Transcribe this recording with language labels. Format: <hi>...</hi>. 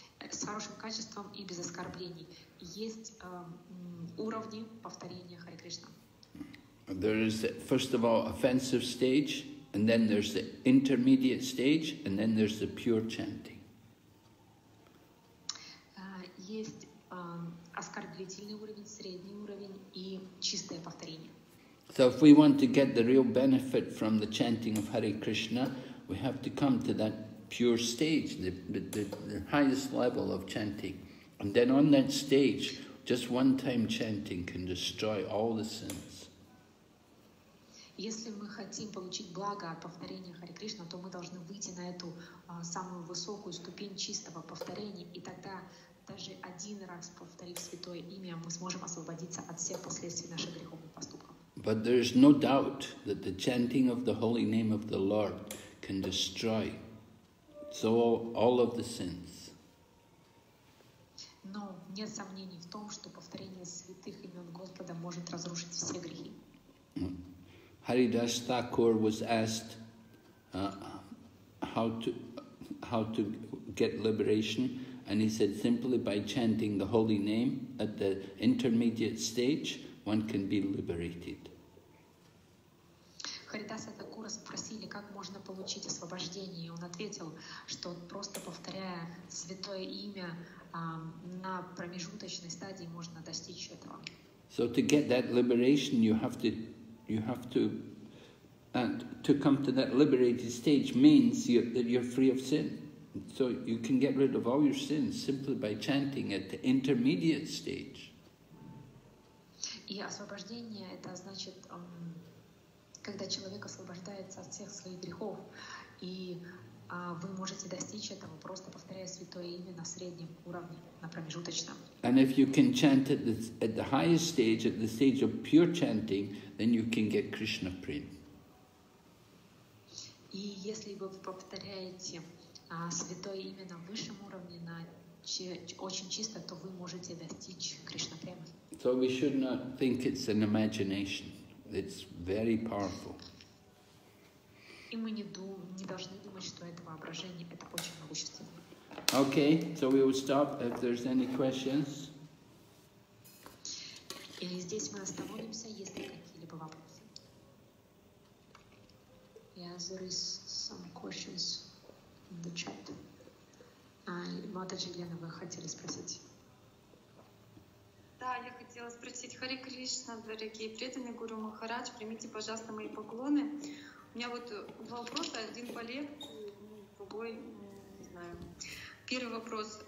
<ru>С хорошим качеством и без оскорблений. Есть уровни повторения Hare Krishna.</ru> <en>There is, first of all, offensive stage, and then there's the intermediate stage, and then there's the pure chanting.</en> <ru>Есть оскорбительный уровень, средний уровень и чистое повторение.</ru> <en>So if we want to get the real benefit from the chanting of Hare Krishna, we have to come to that pure stage, the highest level of chanting. And then on that stage, just one time chanting can destroy all the sins.</en> <ru>Если мы хотим получить благо от повторения Харе Кришна, то мы должны выйти на эту самую высокую ступень чистого повторения, и тогда даже один раз повторив святое имя, мы сможем освободиться от всех последствий наших греховных поступков.</ru> <en>But there is no doubt that the chanting of the holy name of the Lord can destroy so all of the sins.</en> <ru>Но нет сомнений в том, что повторение святых имен Господа может разрушить все грехи.</ru> <en>Haridas Thakur was asked how to get liberation. And he said, simply by chanting the holy name at the intermediate stage, one can be liberated.</en> <ru>Харидаса Такура спросили, как можно получить освобождение. И он ответил, что просто повторяя святое имя на промежуточной стадии можно достичь этого.</ru> <en>So to get that liberation, you have to come to that liberated stage means that you're free of sin. So you can get rid of all your sins simply by chanting at the intermediate stage.</en> <ru>И освобождение это значит, когда человек освобождается от всех своих грехов, и вы можете достичь этого просто повторяя святое имя на среднем уровне, на промежуточном.</ru> <en>And if you can chant at the highest stage, at the stage of pure chanting, then you can get Krishna prema.</en> <ru>И если вы повторяете святое имя на высшем уровне, на очень чисто, то вы можете достичь Кришна премы.</ru> <en>So we should not think it's an imagination. It's very powerful.</en> <ru>И мы не должны думать, что это воображение, это очень могущественно.</ru> <en>Okay, so we will stop if there's any questions.</en> <ru>И здесь мы остановимся, если какие-либо вопросы.</ru> <en>Yeah, there is some questions in the chat.</en> <ru>Матаджи Лена, вы хотели спросить? Да, я хотела спросить. Харе Кришна, дорогие преданные Гуру Махарадж, примите, пожалуйста, мои поклоны. У меня вот два вопроса, один полегче, другой, не знаю. Первый вопрос.</ru>